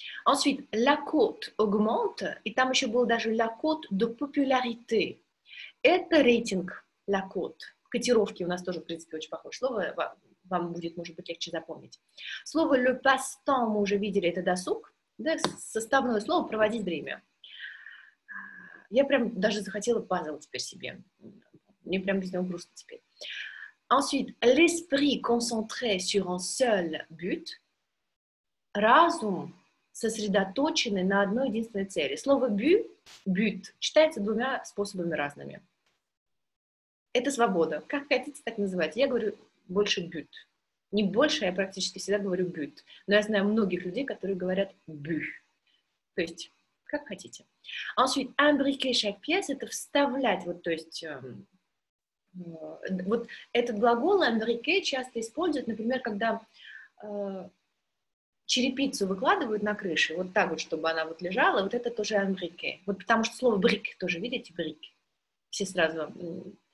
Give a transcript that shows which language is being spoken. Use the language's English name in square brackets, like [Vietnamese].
[French] Ensuite, la cote augmente, [Russian] и там еще было даже [French] la cote de popularité. [Russian] Это рейтинг la cote. Котировки у нас тоже, в принципе, очень похоже слово, вам будет, может быть, легче запомнить. Слово le passe-temps мы уже видели, это досуг. Да, составное слово «проводить время». Я прям даже захотела пазл теперь себе. Мне прям без него грустно теперь. [French] Ensuite, l'esprit concentré sur un seul but. [Russian] Разум сосредоточенный на одной единственной цели. Слово «but», «but» читается двумя способами разными. Это свобода. Как хотите так называть. Я говорю больше «but». Не больше, я практически всегда говорю «бют». Но я знаю многих людей, которые говорят «бюх». То есть, как хотите. [French] Ensuite, «imbriquer chaque pièce» — [Russian] это «вставлять». Вот, то есть, вот этот глагол «imbriquer» часто используют, например, когда черепицу выкладывают на крыше, вот так вот, чтобы она вот лежала, вот это тоже «imbriquer». Вот потому что слово «брик» тоже, видите, «брик». Все сразу...